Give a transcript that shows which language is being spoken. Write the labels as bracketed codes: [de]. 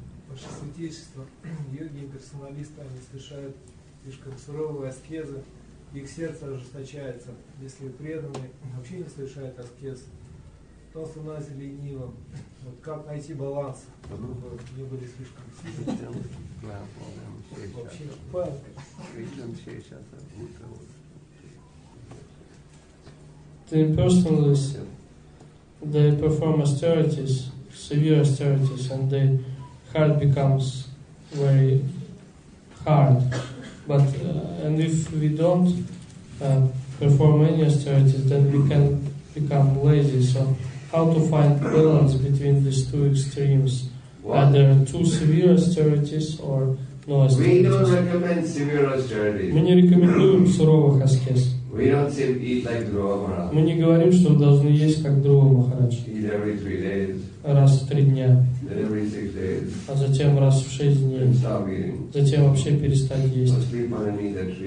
[ru] Ваше святейшество, йоги и персоналисты, они совершают слишком суровые аскезы, их сердце ожесточается. Если преданные вообще не совершают аскез, то становится ленивым. Вот как найти баланс, чтобы не были слишком сильными? [en] The personalists, they perform austerities, severe austerities, and the heart becomes very hard. But and if we don't perform any austerities, then we can become lazy. So how to find balance between these two extremes? Are there two severe austerities or no austerities? We don't recommend severe austerities. [ru] Мы не рекомендуем суровых аскез. [en] We don't say eat like Dhruva Maharaj. [ru] Мы не говорим, что вы должны есть как Dhruva Maharaj. [en] Eat every 3 days. [ru] Раз в 3 дня. [en] Then every 6 days. [ru] А затем раз в 6 дней. [en] And stop eating. [ru] Затем вообще перестать есть. [en] Or sleep underneath a tree.